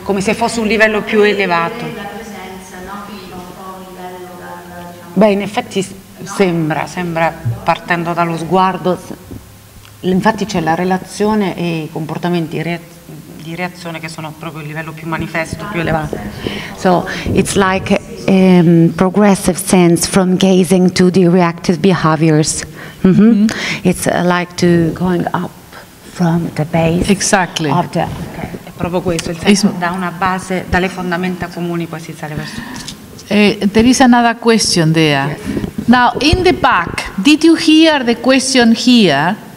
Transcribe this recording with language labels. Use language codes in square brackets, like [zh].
[it] Come se fosse un livello più elevato. Beh, in effetti sembra partendo dallo sguardo, infatti c'è la relazione e i comportamenti di reazione che sono proprio il livello più manifesto, più elevato. [en] So it's like a progressive sense from gazing to the reactive behaviors. Mm-hmm. It's like to going up from the base. Exactly. Of the, [it] okay. È proprio questo, il senso, da una base, dalle fondamenta comuni poi si sale verso. [en] There is another question there. Yes. Now, in the back, did you hear the question here?